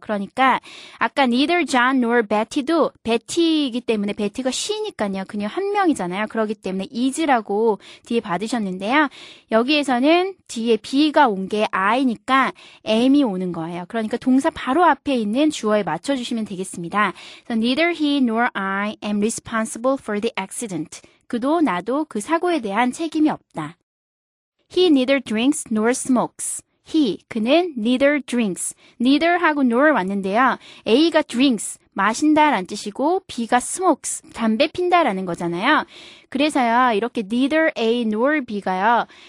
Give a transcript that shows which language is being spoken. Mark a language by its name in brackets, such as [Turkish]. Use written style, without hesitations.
[Korean] 그러니까 아까 [English] neither John nor Betty [Korean] 도 Betty이기 때문에 Betty가 she니까요. 그녀 한 명이잖아요. 그렇기 때문에 is라고 뒤에 받으셨는데요. 여기에서는 뒤에 B가 온 게 I니까 M이 오는 거예요. 그러니까 동사 바로 앞에 있는 주어에 맞춰주시면 되겠습니다. [English] So neither he nor I am responsible for the accident. [Korean] 그도 나도 그 사고에 대한 책임이 없다. [English] He neither drinks nor smokes. He, [Korean] 그는 [English] neither drinks. [Korean] neither하고 nor 왔는데요. A가 drinks, 마신다라는 뜻이고 B가 smokes, 담배 핀다라는 거잖아요. 그래서요, 이렇게 [English] neither A nor B [Korean] 가요.